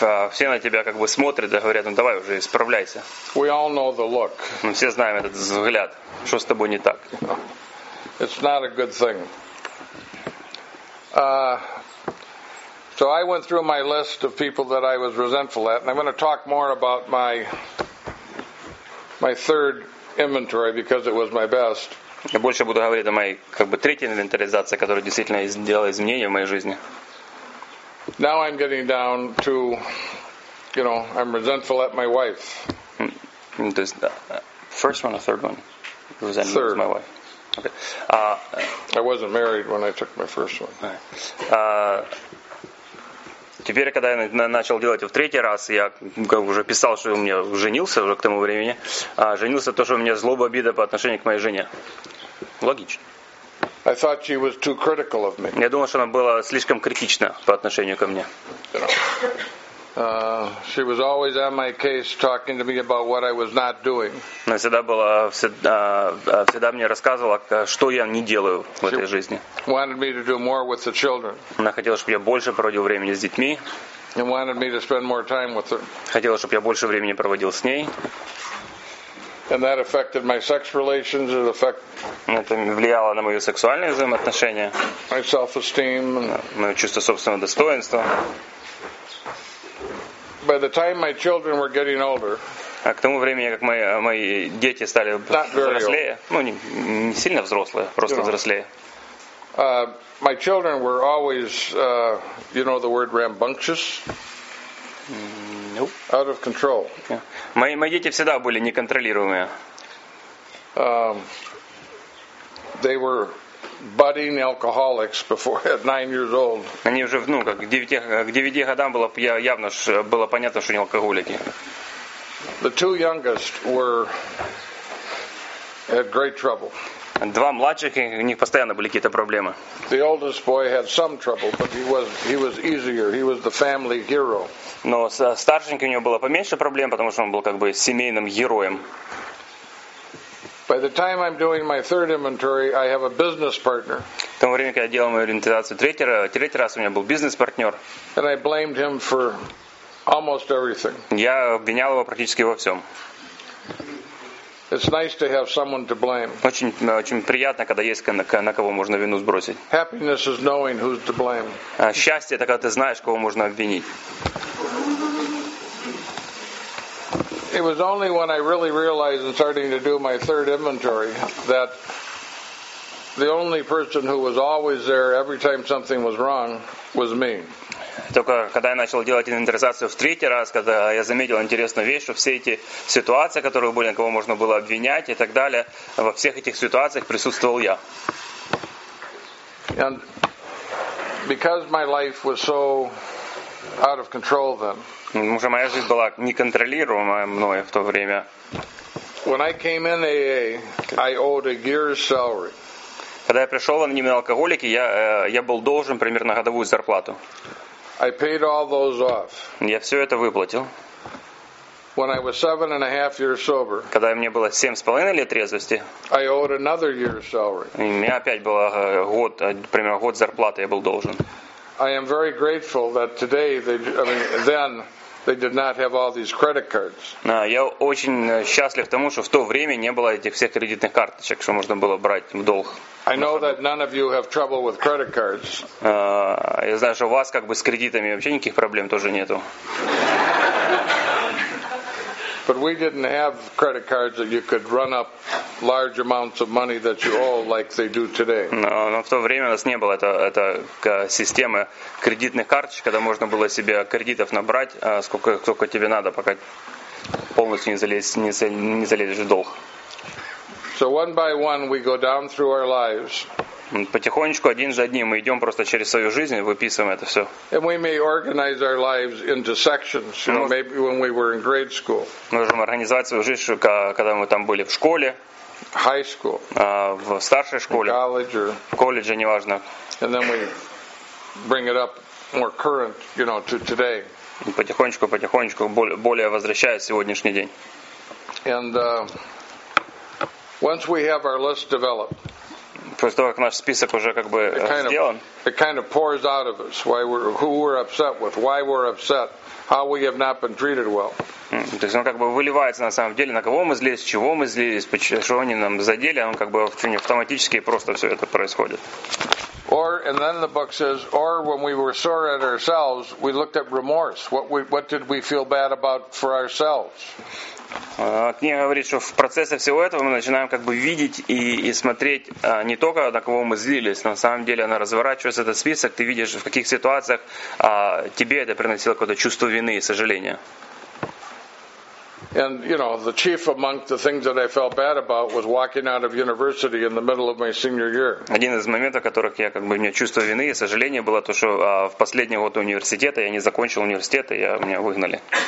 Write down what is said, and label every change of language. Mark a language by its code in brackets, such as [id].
[ru] Все на тебя как бы смотрят и говорят, ну давай уже исправляйся. [en] We all know the look. [ru] Мы все знаем этот взгляд. Что с тобой не так? [en] It's not a good thing. So I went through my list of people that I was resentful at, and I'm going to talk more about my third inventory because it was my best. [ru] Я больше буду говорить о моей как бы третьей инвентаризации, которая действительно сделала изменения в моей жизни. [en] Now I'm getting down to, you know, I'm resentful at my wife. This first one or third one? Resentful third. My wife. Okay. I wasn't married when I took my first one. [ru] Теперь, когда я начал делать его в третий раз, я уже писал, что у меня женился уже к тому времени. Женился то, что у меня злоба, обида по отношению к моей жене. Логично. [en] I thought she was too critical of me. [ru] Я думал, что она была слишком критична по отношению ко мне. [en] She was always on my case, talking to me about what I was not doing. [ru] Она всегда была, всегда мне рассказывала, что я не делаю в этой жизни. [en] Wanted me to do more with the children. [ru] Она хотела, чтобы я больше проводил времени с детьми. [en] And wanted me to spend more time with her. [ru] Хотела, чтобы я больше времени проводил с ней. [en] And that affected my sex relations. [ru] Это влияло на мои сексуальные взаимоотношения. [en] My self-esteem. [ru] Мое чувство собственного достоинства. [en] By the time my children were getting older, [ru] а к тому времени, как мои дети стали взрослее, ну не сильно взрослые, просто взрослее. [en] My children were always, you know, the word rambunctious. Nope. Out of control. [ru] Мои дети всегда были неконтролируемые. [en] They were budding alcoholics before at 9 years old. [ru] Они уже, ну, как к 9 годам было явно было понятно, что они алкоголики. [en] The two youngest were had great trouble. [ru] Два младших, у них постоянно были какие-то проблемы. [en] The oldest boy had some trouble, but he was easier. He was the family hero. [ru] Но старшенький у него было поменьше проблем, потому что он был как бы семейным героем. [en] By the time I'm doing my third inventory, I have a business partner. [ru] В то время, когда я делал мою инвентаризацию третий раз у меня был бизнес-партнер. [en] And I blamed him for almost everything. [ru] Я обвинял его практически во всем. [en] It's nice to have someone to blame. [ru] Очень приятно, когда есть на кого можно вину сбросить. [en] Happiness is knowing who's to blame. [ru] Счастье — это когда ты знаешь, кого можно обвинить. [en] It was only when I really realized and starting to do my third inventory that the only person who was always there every time something was wrong was me. [ru] Только когда я начал делать инвентаризацию в третий раз, когда я заметил интересную вещь, что все эти ситуации, которые были, кого можно было обвинять и так далее, во всех этих ситуациях присутствовал я. [en] And because my life was so out of control then. [ru] Потому что моя жизнь была неконтролируемая мной в то время. [en] When I came in AA, I owed a year's salary. [ru] Когда я пришел в анонимные алкоголики, я был должен примерно годовую зарплату. [en] I paid all those off. [ru] Я все это выплатил. [en] When I was 7.5 years sober, [ru] когда мне было 7.5 лет трезвости, [en] I owed another year's salary. [ru] У меня опять был год, примерно год зарплаты я был должен. [en] I am very grateful that today then they did not have all these credit cards. [ru] Я очень счастлив тому, что в то время не было этих всех кредитных карточек, что можно было брать в долг. [en] I know that none of you have trouble with credit cards. [ru] Я знаю, что у вас как бы с кредитами вообще никаких проблем тоже нету. [en] But we didn't have credit cards that you could run up large amounts of money that you owe like they do today. [ru] Но в то время у нас не было это системы кредитных карточек, когда можно было себе кредитов набрать, сколько тебе надо, пока полностью не залезешь в долг. [en] So one by one we go down through our lives. [ru] потихонечку, один за одним, мы идем просто через свою жизнь, выписываем это все. [en] And we may organize our lives into sections, you know, maybe when we were in grade school. [ru] Мы можем организовать свою жизнь, когда мы там были в школе. [en] High school. [ru] В старшей школе. [en] In college or... [ru] В колледже, неважно. [en] And then we bring it up more current, you know, to today. [ru] И потихонечку, потихонечку, более возвращая сегодняшний день. [en] And once we have our list developed, [ru] после того, как наш список уже как бы сделан, [en] it kind of pours out of us why we're, who we're upset with, why we're upset, how we have not been treated well. [ru] То есть он как бы выливается на самом деле, на кого мы злились, чего мы злились, почему они нам задели, он как бы автоматически просто все это происходит. [en] Or, and then the book says, or when we were sore at ourselves, we looked at remorse. What did we feel bad about for ourselves? [ru] Книга говорит, что в процессе всего этого мы начинаем как бы видеть и смотреть не только на кого мы злились, но на самом деле она разворачивается этот список, ты видишь, в каких ситуациях тебе это приносило какое-то чувство вины и сожаления. [en] And you know, the chief among the things that I felt bad about was walking out of university in the middle of my senior year. [ru] Один из моментов, в которых я как бы у меня чувство вины и сожаления было, то что в последний год университета я не закончил университет, и меня выгнали.